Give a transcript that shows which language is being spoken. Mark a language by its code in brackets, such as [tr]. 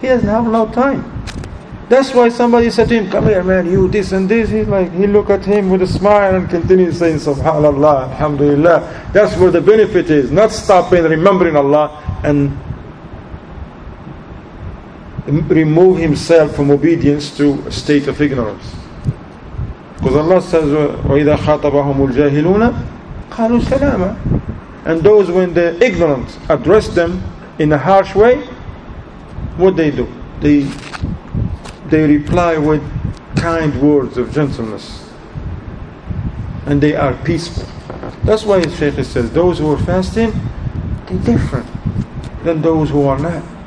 [en] He doesn't have a lot of time. That's why somebody said to him, come here man, you this and this. He's like, he look at him with a smile and continues saying, subhanallah, alhamdulillah. That's where the benefit is. Not stopping remembering Allah and remove himself from obedience to a state of ignorance. Because Allah says, [ar] وَإِذَا خَاطَبَهُمُ الْجَاهِلُونَ قَالُوا سَلَامًا. [en] And those when the ignorant address them in a harsh way, what they do? They reply with kind words of gentleness. And they are peaceful. That's why Shaykh says, those who are fasting, they're different than those who are not.